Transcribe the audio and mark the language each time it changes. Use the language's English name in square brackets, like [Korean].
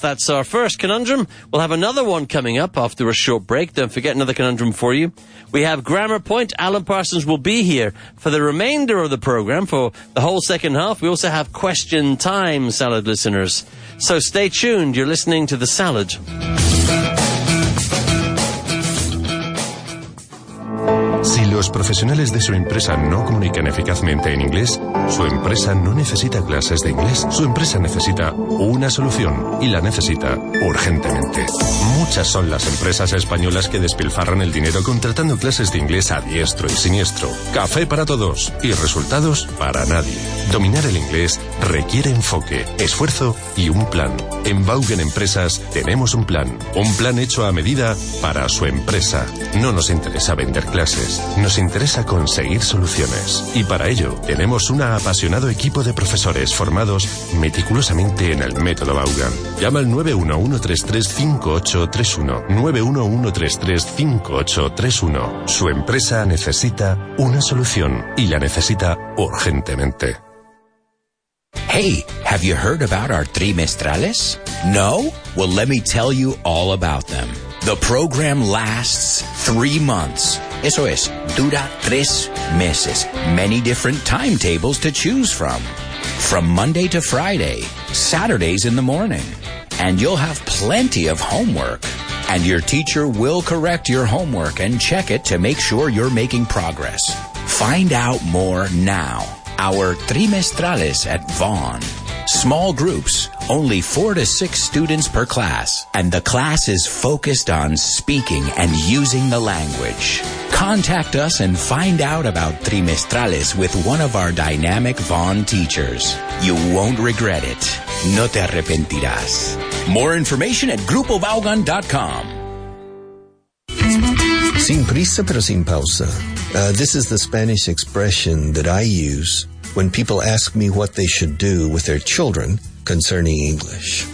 [English] That's our first conundrum. We'll have another one coming up after a short break. Don't forget, another conundrum for you. We have Grammar Point. Alan Parsons will be here for the remainder of the program, for the whole second half. We also have Question Time, Salad listeners. So stay tuned. You're listening to The Salad. [Spanish] Si los profesionales de su empresa no comunican eficazmente en inglés, su empresa no necesita clases de inglés. Su empresa necesita una solución y la necesita urgentemente. Muchas son las empresas españolas que despilfarran el dinero contratando clases de inglés a diestro y siniestro. Café para todos y resultados para nadie. Dominar el inglés requiere enfoque, esfuerzo y un plan. En Baugen Empresas tenemos un plan. Un plan hecho a medida para su empresa. No nos interesa vender clases. Nos interesa conseguir soluciones. Y para ello, tenemos un apasionado equipo de profesores formados meticulosamente en el método Vaughan. Llama al 911-335831. 911-335831. Su empresa necesita una solución y la necesita urgentemente. [English] Hey, have you heard about our trimestrales? No? Well, let me tell you all about them. The program lasts 3 months. [Spanish] Eso es, dura 3 meses. [English] Many different timetables to choose from. From Monday to Friday, Saturdays in the morning. And you'll have plenty of homework. And your teacher will correct your homework and check it to make sure you're making progress. Find out more now. Our trimestrales at Vaughan. Small groups, only 4 to 6 students per class, and the class is focused on speaking and using the language. Contact us and find out about trimestrales with one of our dynamic Vaughan teachers. You won't regret it. [Spanish] No te arrepentirás. [English] More information at GrupoVaughan.com. [Spanish] Sin prisa pero sin pausa. [English] This is the Spanish expression that I use when people ask me what they should do with their children concerning English.